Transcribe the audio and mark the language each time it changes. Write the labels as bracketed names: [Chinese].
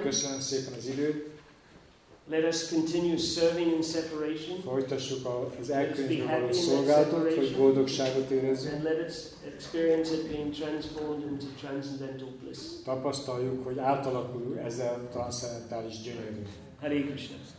[Hungarian] Köszönöm szépen az időt. [English] Let us continue serving in separation. [Hungarian] Folytassuk az elkülönítő való szolgálatot, hogy boldogságot érezzünk. [English] And let us experience it being transformed into transcendental bliss. [Hungarian] Tapasztaljuk, hogy átalakul ez a transzcendentális gyönyörű. [Sanskrit] Hare Krishna.